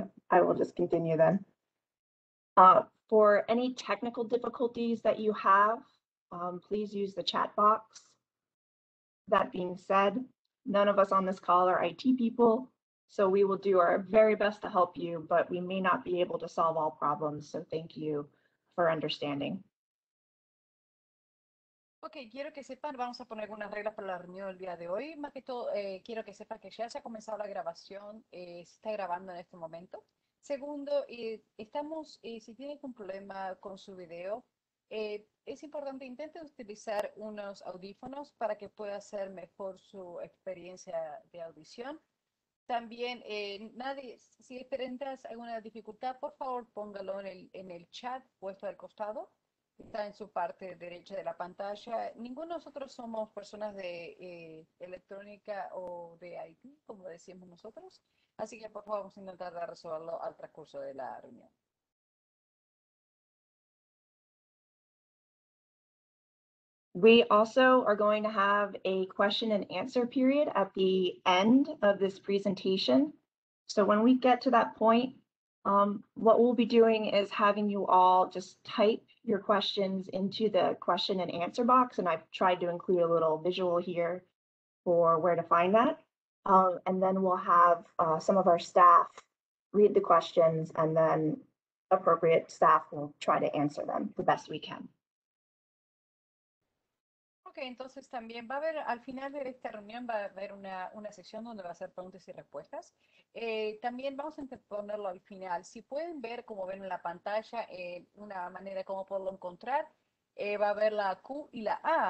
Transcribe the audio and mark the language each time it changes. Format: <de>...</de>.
<en>I will just continue then. For any technical difficulties that you have, please use the chat box. That being said, none of us on this call are IT people, so we will do our very best to help you, but we may not be able to solve all problems. So thank you for understanding.</en> <es>Ok, quiero que sepan, vamos a poner algunas reglas para la reunión del día de hoy. Más que todo, quiero que sepan que ya se ha comenzado la grabación, se está grabando en este momento. Segundo, estamos, si tienen un problema con su video, es importante, intenten utilizar unos audífonos para que pueda ser mejor su experiencia de audición. También, nadie, si experimentas alguna dificultad, por favor, póngalo en el chat puesto al costado. Está en su parte derecha de la pantalla. Ninguno de nosotros somos personas de electrónica o de IT, como decimos nosotros. Así que, por favor, vamos a intentar resolverlo al transcurso de la reunión.</es> <en>We also are going to have a question and answer period at the end of this presentation. So when we get to that point, what we'll be doing is having you all just type your questions into the question and answer box, and I've tried to include a little visual here for where to find that. And then we'll have some of our staff read the questions, and then appropriate staff will try to answer them the best we can.</en> <es>Okay, entonces también va a haber, al final de esta reunión va a haber una sección donde va a ser preguntas y respuestas. También vamos a ponerlo al final. Si pueden ver, como ven en la pantalla, una manera como poderlo encontrar, va a haber la Q y la A.</es>